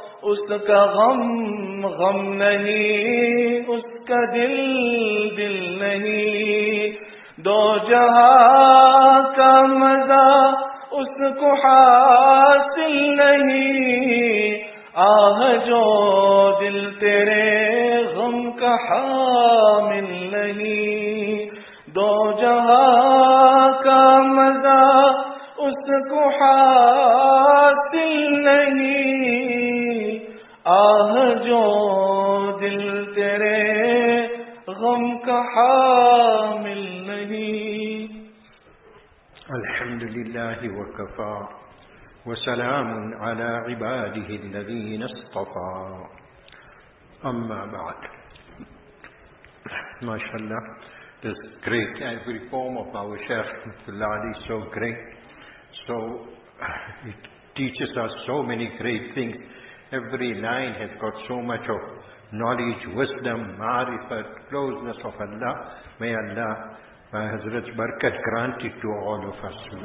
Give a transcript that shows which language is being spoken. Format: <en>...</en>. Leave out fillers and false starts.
<ur>اس کا غم غم نہیں، اس کا دل دل نہیں، دو جہاں کا مزہ اس کو حاصل نہیں، آہ جو دل تیرے غم کا حامل نہیں، دو جہاں کا مزہ اس کو حاصل نہیں، آہ جو دل تیرے غم کا حامل نہیں.</ur> <ar>الحمد للہ وکفا وسلام على عباده الذين اصطفى، اما بعد، ما شاء الله.</ar> <en>This great, every form of our Shaykh Rahmatullah Ali is so great, so it teaches us so many great things. Every line has got so much of knowledge, wisdom, ma'rifat, closeness of Allah. May Allah by Hazrat's barakat grant it to all of us.</en>